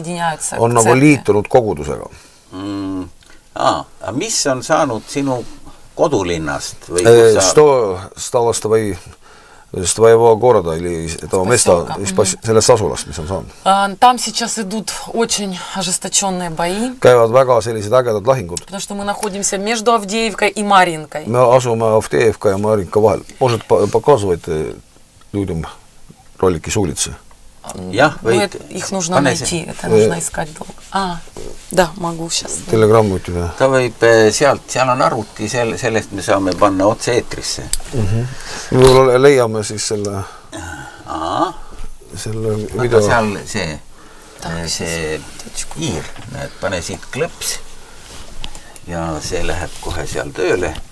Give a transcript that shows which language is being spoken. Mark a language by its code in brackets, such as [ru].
[et] On nagu liitunud kogudusega. А mis on saanud sinu kodulinnast? Sto stalast või [ru] твоего города или этого места, [et] selles asulast, mis on saanud. [ru] Там сейчас идут очень ожесточенные бои. [et] Käivad väga sellised ägedad lahingud. [ru] Потому что мы находимся между Авдеевкой и Маринкой. [et] Me asume Авдеевка ja Маринка vahel. [ru] Может, показывать людям ролики с улицы? [et] Jah, või... [ru] Их нужно найти, это нужно искать долго. Да, могу сейчас. Telegram у тебя. [et] Ta võib sealt, seal on arvuti, sellest me saame panna otse eetrisse. Leiame siis selle... Selle video... Aga seal see kiir, näed, pane siit klõps ja see läheb kohe seal tööle.